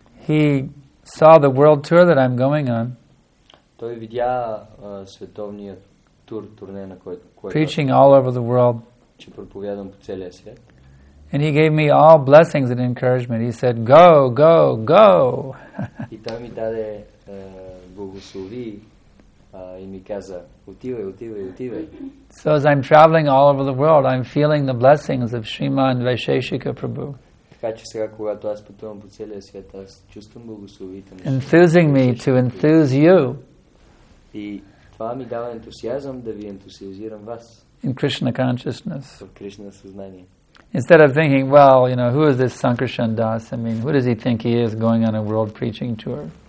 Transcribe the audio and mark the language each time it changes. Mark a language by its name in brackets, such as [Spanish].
[English] He saw the world tour that I'm going on. [Bulgarian] Той видя световния тур, турне, на който [English] preaching all over the world. [Bulgarian] Че проповядвам по целия свят. [English] And he gave me all blessings and encouragement. He said, go, go, go. [Bulgarian] И той ми даде благослови и ми каза, отивай, отивай, отивай. [English] So as I'm traveling all over the world, I'm feeling the blessings of Shriman Vaisheshika Prabhu. [Bulgarian] Така че сега, когато аз пътувам по целия свят, аз чувствам благословите на [English] enthusing me to enthuse you. [Bulgarian] И това ми дава ентусиазъм да ви ентусиазирам вас. [English] In Krishna consciousness. [Bulgarian] В Кришна съзнание. [English] Instead of thinking, well, you know, who is this Sankarshan Das? I mean, who does he think he is going on a world preaching tour?